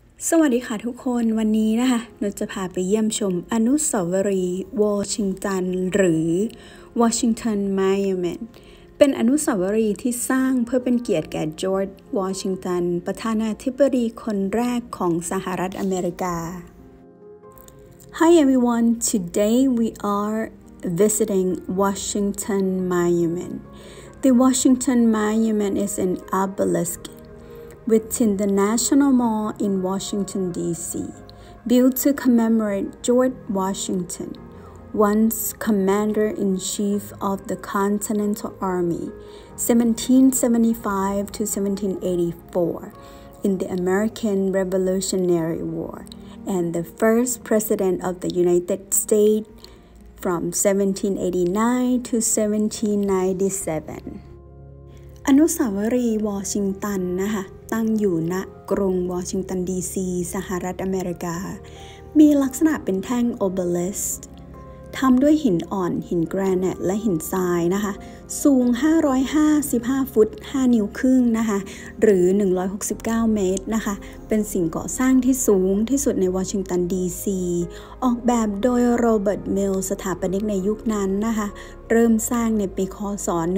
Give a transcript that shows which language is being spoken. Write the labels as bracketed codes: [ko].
[th] สวัสดีค่ะทุกคนวันนี้นะคะหนูจะพาไปเยี่ยมชมอนุสาวรีย์วอชิงตันหรือวอชิงตันมอนูเมนต์เป็นอนุสาวรีย์ที่สร้างเพื่อเป็นเกียรติแก่จอร์จวอชิงตันประธานาธิบดีคนแรกของสหรัฐอเมริกา [en] Hi everyone, today we are visiting Washington Monument. The Washington Monument is an obelisk. Within the National Mall in Washington, D.C., built to commemorate George Washington, once Commander-in-Chief of the Continental Army, 1775 to 1784, in the American Revolutionary War, and the first President of the United States from 1789 to 1797. [th] อนุสาวรีย์วอชิงตันนะคะตั้งอยู่ณกรุงวอชิงตันดีซีสหรัฐอเมริกามีลักษณะเป็นแท่งโอเบลิสก์ทำด้วยหินอ่อนหินแกรนิตและหินทรายนะคะสูง555ฟุต5นิ้วครึ่งนะคะหรือ169เมตรนะคะเป็นสิ่งก่อสร้างที่สูงที่สุดในวอชิงตันดีซีออกแบบโดยโรเบิร์ตมิลสถาปนิกในยุคนั้นนะคะเริ่มสร้างในปีค.ศ.